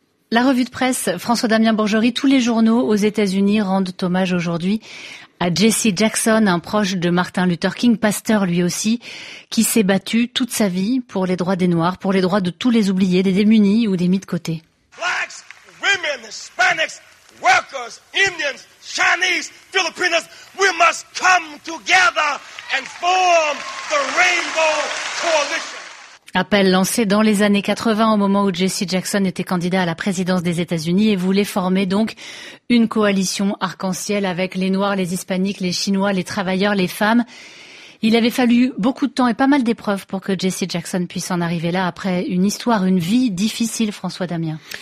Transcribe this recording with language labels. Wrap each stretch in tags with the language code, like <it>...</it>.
<fr>La revue de presse, François-Damien Borgeri, tous les journaux aux États-Unis rendent hommage aujourd'hui à Jesse Jackson, un proche de Martin Luther King, pasteur lui aussi, qui s'est battu toute sa vie pour les droits des Noirs, pour les droits de tous les oubliés, des démunis ou des mis de côté.</fr> <en>Blacks, women, Hispanics, workers, Indians, Chinese, Filipinos, we must come together and form the Rainbow Coalition.</en> <fr>Appel lancé dans les années 80 au moment où Jesse Jackson était candidat à la présidence des États-Unis et voulait former donc une coalition arc-en-ciel avec les Noirs, les Hispaniques, les Chinois, les travailleurs, les femmes. Il avait fallu beaucoup de temps et pas mal d'épreuves pour que Jesse Jackson puisse en arriver là après une histoire, une vie difficile, François Damien.</fr>